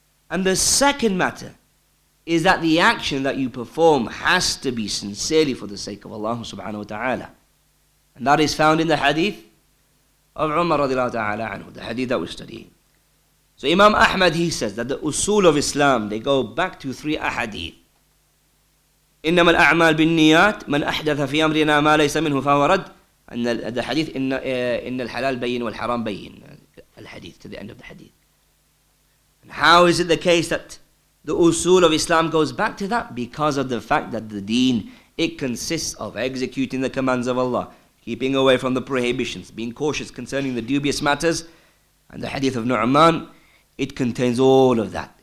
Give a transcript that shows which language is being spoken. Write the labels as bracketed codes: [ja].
[en] And the second matter is that the action that you perform has to be sincerely for the sake of Allah subhanahu wa ta'ala. And that is found in the hadith of Umar radiallahu ta'ala anhu, the hadith that we're studying. So Imam Ahmad, he says that the usul of Islam, they go back to three ahadith. [ar] إنما الأعمال بالنيات من أحدث في أمرنا ما ليس منه فهو رد أن الحديث إن الحلال بين والحرام بين الحديث [en] to the end of the hadith. And how is it the case that the usul of Islam goes back to that? Because of the fact that the deen, it consists of executing the commands of Allah, keeping away from the prohibitions, being cautious concerning the dubious matters, and the hadith of Nu'man, it contains all of that.